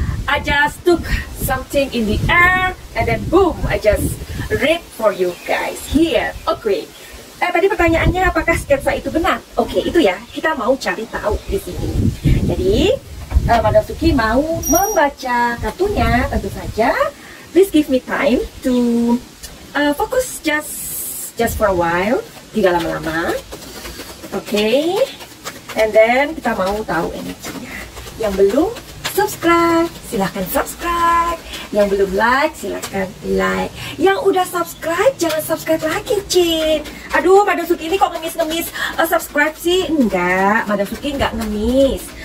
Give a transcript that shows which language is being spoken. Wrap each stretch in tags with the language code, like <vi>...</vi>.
<en>I just took something in the air and then boom, I just read for you guys here. Okay.</en> <id>Tadi pertanyaannya apakah sketsa itu benar? Okay, itu ya. Kita mau cari tahu di sini. Jadi, Madam Suki mau membaca kartunya tentu saja.</id> <en>Please give me time to focus just for a while.</en> <id>Tidak lama-lama. Okay.</id> <en>And then</en> <id>kita mau tahu energinya. Yang belum subscribe, silahkan subscribe. Yang belum like, silahkan like. Yang udah subscribe, jangan subscribe lagi, Cin. Aduh, Madam Suki ini kok ngemis-ngemis subscribe sih? Enggak, Madam Suki nggak ngemis.</id>